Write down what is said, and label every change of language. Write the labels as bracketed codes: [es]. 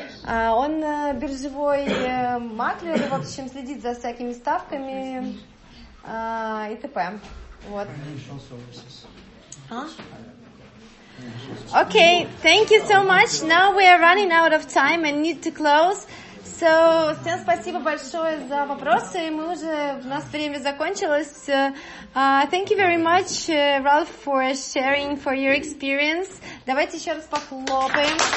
[ru] Он биржевой маклер, в общем, следит за всякими ставками и т.п. Вот. [en] Okay, thank you so much. Now we are running out of time and need to close. [ru] So, всем спасибо большое за вопросы. Мы уже, у нас время закончилось. [en] Thank you very much, Ralph, for sharing for your experience. [ru] Давайте еще раз похлопаем.